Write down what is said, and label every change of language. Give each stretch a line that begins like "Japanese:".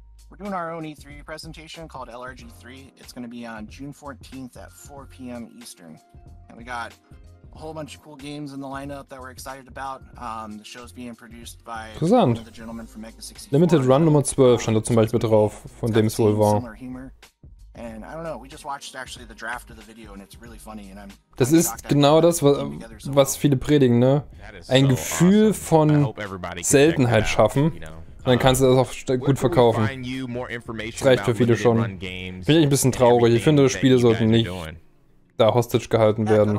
English: We're doing our own E3 presentation called LRG3. It's going to be on June 14th at 4 p.m. Eastern. And we got a whole bunch of cool games in the lineup that we're excited about. The show's being produced by the gentleman from Mega 64.
German: Limited Run Nummer 12 stand da zum Beispiel drauf, von dem es wohl war.
English: And I don't know, we just watched actually the draft of the video and it's really funny and I'm
German: Das ist genau das, was viele predigen, ne? Ein Gefühl von Seltenheit schaffen. Und dann kannst du das auch gut verkaufen. Das reicht für viele schon. Bin ich ein bisschen traurig. Ich finde, Spiele sollten nicht da hostage gehalten werden.